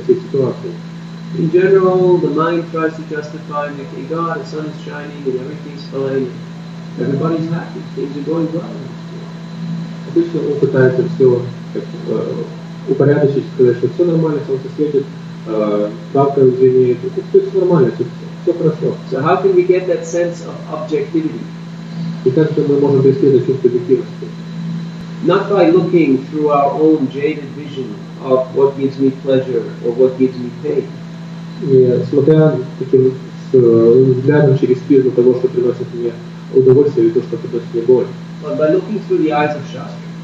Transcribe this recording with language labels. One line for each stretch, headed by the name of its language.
English: In general, the mind tries to justify, okay, God, the sun is shining, and everything's fine, everybody's happy, things are going well.
Russian: Обычно он пытается все упорядочить, сказать, что все нормально, солнце светит, палка звенит, все нормально, все хорошо.
English: So how can we get that sense of objectivity?
Russian: И как же мы можем довести до чувства объективности?
English: Not by looking through our own jaded vision of what gives me pleasure or what gives me pain.
Russian: Не смотря таким взглядом через призму того, что приносит мне удовольствие или то, что приносит мне боль.
English: But by looking through the eyes of Shastra.